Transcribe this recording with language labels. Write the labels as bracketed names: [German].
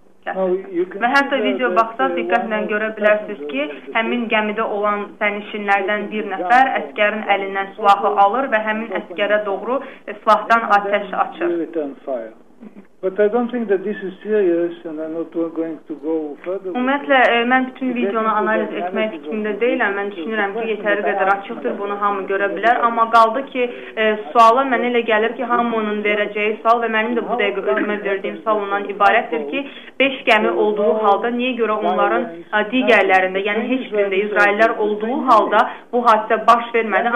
[Azerbaijani] Və hətta video baxsa diqqətlə görə bilərsiniz ki, həmin gəmidə olan sənişinlərdən bir nəfər əsgərin əlindən silahı alır və həmin əsgərə doğru silahdan atəş açır. [English] But I don't think that this is serious and I'm not going to go further. [Azerbaijani] Ümumiyyətlə, mən bütün videonu analiz etmək fikrində deyiləm. Mən düşünürəm ki, yetəri qədər açıqdır, bunu hamı görə bilər. Amma qaldı ki, suala mənə elə gəlir ki, hamının verəcəyi sual və mənim də bu dəqiqə özümə verdiyim sual ondan ibarətdir ki, 5 gəmi olduğu halda niyə görə onların digərlərində, yəni heç birində İsraillər olduğu halda bu hadisə baş vermədi.